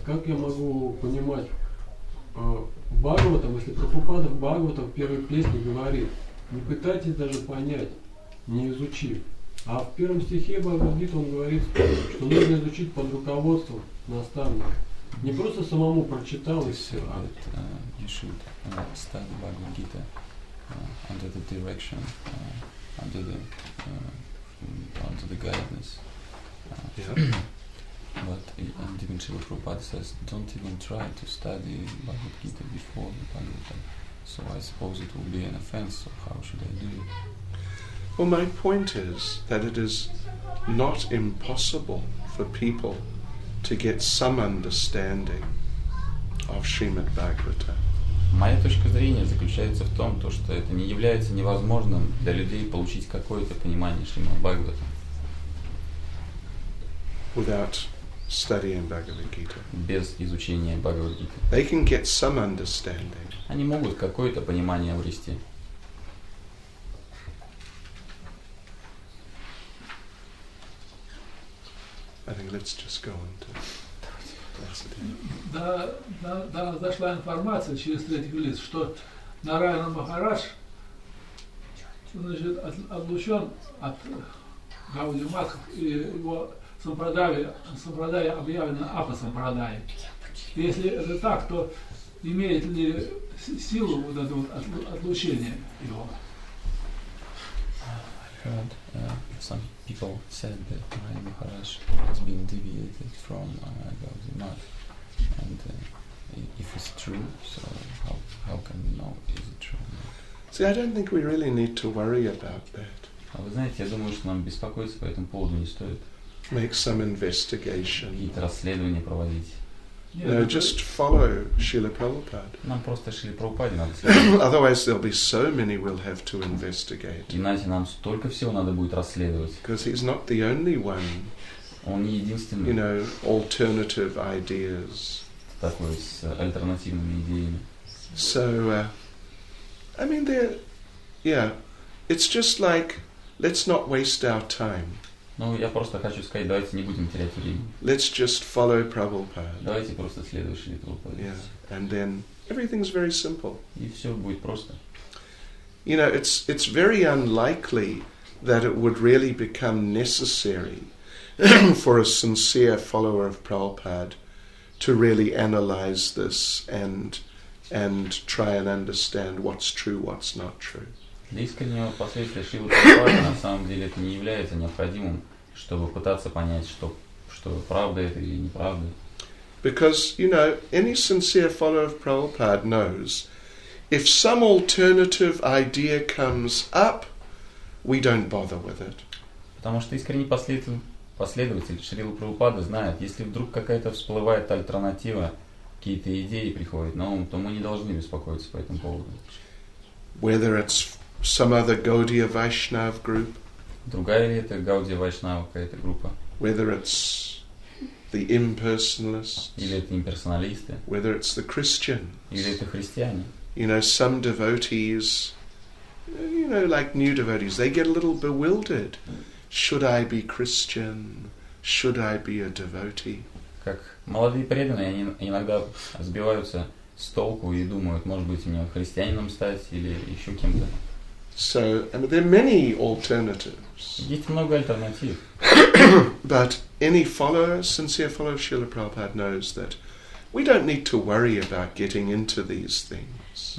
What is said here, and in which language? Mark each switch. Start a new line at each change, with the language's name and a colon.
Russian: Как я могу понимать Бхагаватам, если Прабхупада в Бхагаватам в первой песне говорит, не пытайтесь даже понять, не изучив. А в первом стихе Бхагавад-гита он говорит, что нужно изучить под руководством наставника. Не просто самому прочитал и все.
English: You should study Bhagavad-gita under the direction, under the guidance. But even Srila Prabhupada says, don't even try to study Bhagavad Gita before the Bhagavatam. So I suppose it will be an offense, so how should I do it? Well, my point is that it is not impossible for people to get some understanding of Srimad Bhagavatam.
Russian: Моя точка зрения заключается в том, что это не является невозможным для людей получить какое-то понимание Шримад Бхагаватам.
English: Without studying Bhagavad Gita.
Russian: Без изучения Бхагавад Гиты.
English: They can get some understanding.
Russian: Они могут какое-то понимание обрести.
English: I think let's just go on to
Russian: зашла информация через третьих лиц, что Нараяна Махарадж отлучен от Гауди Матха и его Сампрадая объявлена апа-сампрадая. Если это так, то имеет ли силу вот это вот отлучение его?
English: I heard some people said that Nārayana Maharaj has been deviated from Gaudiya Math. And if it's true, so how can we know is it true? See, I don't think we really need to worry about that.
Russian: А вы знаете, я думаю, что нам беспокоиться по этому поводу не стоит.
English: Make some investigation.
Russian: Какие-то расследования проводить.
English: No, just follow Srila Prabhupada.
Russian: Нам просто Шрила Прабхупаде надо следовать.
English: Otherwise there'll be so many we'll have to investigate.
Russian: Иначе нам столько всего надо будет расследовать.
English: Because he's not the only one.
Russian: Он не единственный.
English: You know, alternative ideas.
Russian: Такой с альтернативными идеями.
English: So, I mean, there, yeah, it's just like, let's not waste our time.
Russian: Ну, я просто хочу сказать, давайте не будем терять время.
English: Let's just follow Prabhupada.
Russian: Давайте просто следуем Шриле Прабхупаде.
English: Yeah. And then everything's very simple.
Russian: И все будет просто.
English: You know, it's very unlikely that it would really become necessary for a sincere follower of Prabhupada to really analyze this and try and understand what's true, what's not true.
Russian: Для искреннего последствия Шивы Прабхупады на самом деле это не является необходимым, чтобы пытаться понять, что правда это или неправда.
English: Because, you know, any sincere follower of Prabhupada knows, if some alternative idea comes up, we don't bother with it.
Russian: Потому что искренний последователь Шрилы Прабхупады знает, если вдруг какая-то всплывает альтернатива, какие-то идеи приходят на ум, то мы не должны беспокоиться по этому поводу.
English: Whether it's some other Gaudiya Vaishnav group.
Russian: Другая ли это Gaudiya Vaishnav какая-то группа?
English: Whether it's the impersonalists.
Russian: Или это имперсоналисты?
English: Whether it's the Christians.
Russian: Или это христиане?
English: You know, some devotees, you know, like new devotees, they get a little bewildered. Should I be Christian? Should I be a devotee?
Russian: Как молодые преданные, они иногда сбиваются с толку и думают, может быть, мне христианином стать или еще кем-то.
English: So, I mean, there are many alternatives.
Russian: Есть много альтернатив.
English: But any follower, sincere follower of Srila Prabhupada knows that we don't need to worry about getting into these things.